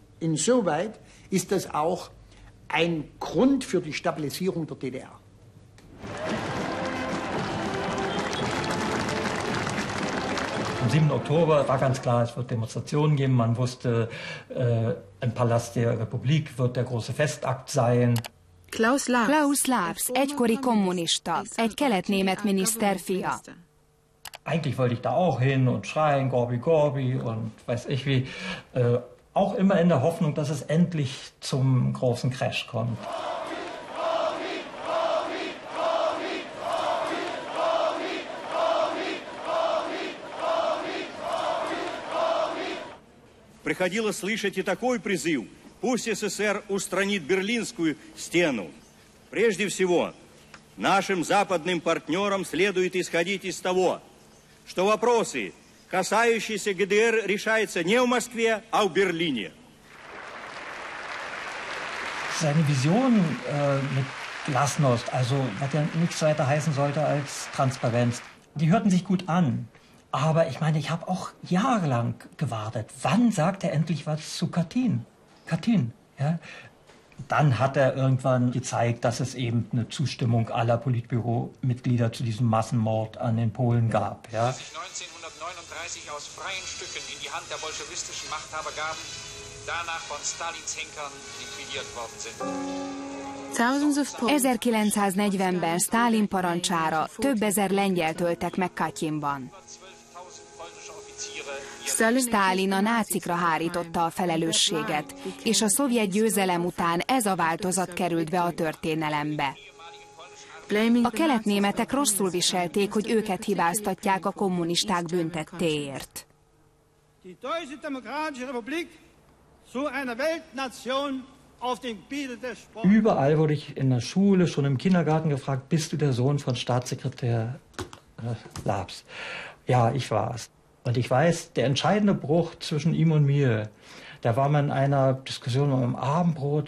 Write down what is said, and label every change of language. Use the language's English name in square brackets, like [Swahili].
[German] Insoweit ist das auch ein Grund für die Stabilisierung der DDR. Am 7. Oktober war ganz klar, es wird Demonstrationen geben. Man wusste, im Palast der Republik wird der große Festakt sein. [Hungarian] Klaus Lavs, egykori kommunista, egy kelet-német miniszter fia. [German] Eigentlich wollte ich da auch hin und schreien, Gorbi, Gorbi und weiß ich wie. Auch immer in der Hoffnung, dass es endlich zum großen Crash kommt. [Russian] Приходило слышать и такой призыв. Пусть СССР устранит Берлинскую стену. Прежде всего, нашим западным партнерам следует исходить из того, что вопросы, касающиеся ГДР, решаются не в Москве, а в Берлине. [German] Seine Vision mit Glasnost, also was ja nichts weiter heißen sollte als Transparenz, die hörten sich gut an. Aber ich meine, ich habe auch jahrelang gewartet. Wann sagt er endlich was zu Katyn? Katyn, ja? Dann hat er irgendwann gezeigt, dass es eben eine Zustimmung aller Politbüro-Mitglieder zu diesem Massenmord an den Polen gab. Ja. Als sich 1939 aus freien Stücken in die Hand der bolschewistischen Machthaber gaben, danach von Stalins Henkern liquidiert worden sind. [Hungarian] 1940-ben Stalin parancsára több ezer lengyel öltek meg Katyinban. Stalin a nácikra hárította a felelősséget, és a szovjet győzelem után ez a változat került be a történelembe. A keletnémetek rosszul viselték, hogy őket hibáztatják a kommunisták büntettéért. [German] Die Deutsche Demokratische Republik zu einer Weltnation auf dem Gebiete der Sport. Überall wurde ich in der Schule, schon im Kindergarten gefragt, bist du der Sohn von Staatssekretär Labs? Ja, ich war es. Und ich weiß, der entscheidende Bruch zwischen ihm und mir, da war man in einer Diskussion um Abendbrot.